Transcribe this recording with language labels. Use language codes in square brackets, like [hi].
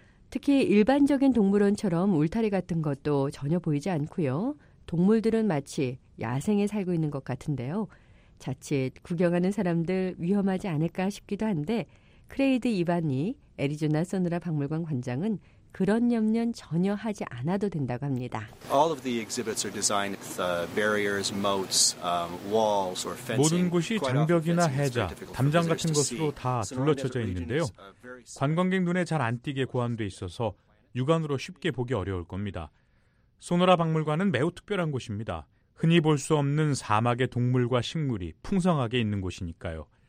[ko] 특히 일반적인 동물원처럼 울타리 같은 것도 전혀 보이지 않고요. 동물들은 마치 야생에 살고 있는 것 같은데요. 자칫 구경하는 사람들 위험하지 않을까 싶기도 한데 크레이드 이반이 애리조나 소노라 박물관 관장은 그런 염려는 전혀 하지 않아도 된다고 합니다. [en] All of the exhibits are designed with barriers, moats, walls or fencing. [ko] 모든 곳이 장벽이나 해자, 담장 같은 것으로 다 둘러쳐져 있는데요. 관광객 눈에 잘 안 띄게 고안돼 있어서 육안으로 쉽게 보기 어려울 겁니다. 소노라 박물관은 매우 특별한 곳입니다. 흔히 볼 수 없는 사막의 동물과 식물이 풍성하게 있는 곳이니까요.